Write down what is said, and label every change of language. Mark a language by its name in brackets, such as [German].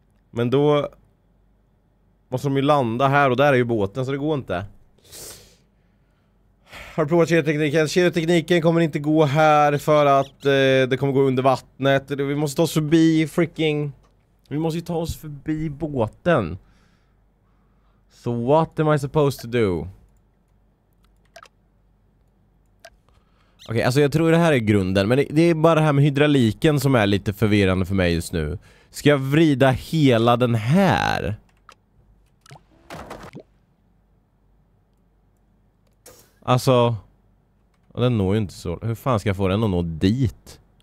[Swedish] Men då måste de ju landa här och där är ju båten så det går inte. Har du provat kedjetekniken? Kedjetekniken kommer inte gå här för att det kommer gå under vattnet. Vi måste ta oss förbi freaking... Vi måste ju ta oss förbi båten. [English] So what am I supposed to do? [Swedish] Okej, alltså jag tror det här är grunden. Men det är bara det här med hydrauliken som är lite förvirrande för mig just nu. Ska jag vrida hela den här? Alltså... Den når ju inte så... Hur fan ska jag få den att nå dit?